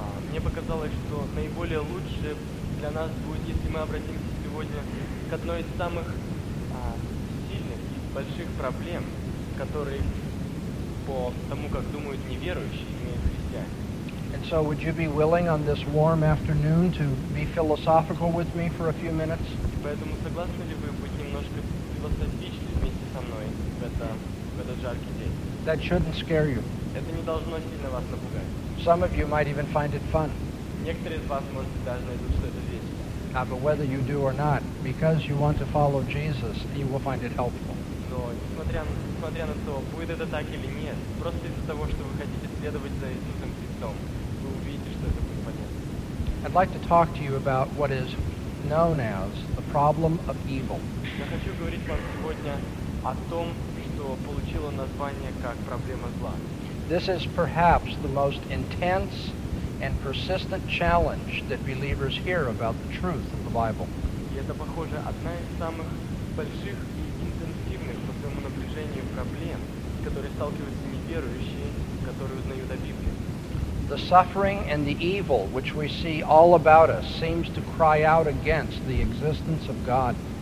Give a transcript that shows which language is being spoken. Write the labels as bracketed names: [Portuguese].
[Russian] Мне показалось, что наиболее лучше для нас будет, если мы обратимся сегодня к одной из самых сильных и больших проблем, которые по тому, как думают неверующие, имеют христиане. [English] And so would you be willing on this warm afternoon to be philosophical with me for a few minutes? [Russian] Поэтому согласны ли вы быть немножко философичными вместе со мной в этот жаркий день? [English] That shouldn't scare you. [Russian] Это не должно сильно вас напугать. [English] Some of you might even find it fun. [Russian] Некоторые из вас могут даже найти, что это весело. [English] But whether you do or not, because you want to follow Jesus, you will find it helpful. [Russian] Но несмотря на то, будет это так или нет, просто из-за того, что вы хотите следовать за Иисусом Христом, вы увидите, что это будет понятно. [English] I'd like to talk to you about what is known as the problem of evil. [Russian] Я хочу говорить вам сегодня о том, получило название как проблема зла. [English] This is perhaps the most intense and persistent challenge that believers hear about the truth of the Bible. [Russian] И это, похоже, одна из самых больших и интенсивных по своему напряжению проблем, с которой сталкиваются неверующие, которые узнают о Библии. [English] The suffering and the evil which we see all about us seems to cry out against the existence of God.